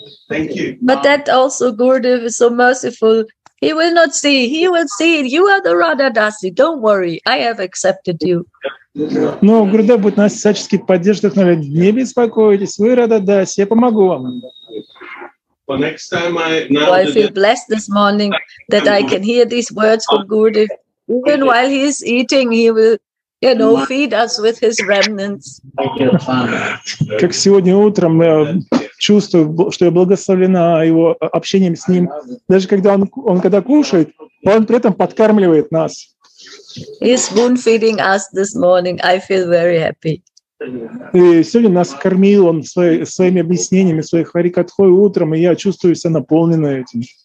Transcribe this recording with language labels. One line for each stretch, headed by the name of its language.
English: Thank you. But that also Gurudev is so merciful. He will not see. He will see. You are the Radha Dasi. Don't worry. I have accepted you.
Russian: Но Гурудев будет нас всячески поддерживать, говорит, не беспокойтесь, вы Радха Даси, я помогу вам.
English: I feel blessed this morning that I can hear these words from Gurudev. Even while he is eating, he will, you know, feed us with his remnants.
Russian: Как сегодня утром я чувствую, что я благословлена его общением с ним. Даже когда он когда кушает, он при этом подкармливает нас.
English: He's spoon feeding us this morning. I feel very happy.
Russian: И сегодня нас кормил он своими объяснениями, своей харикатхой утром, и я чувствую себя наполненной этим.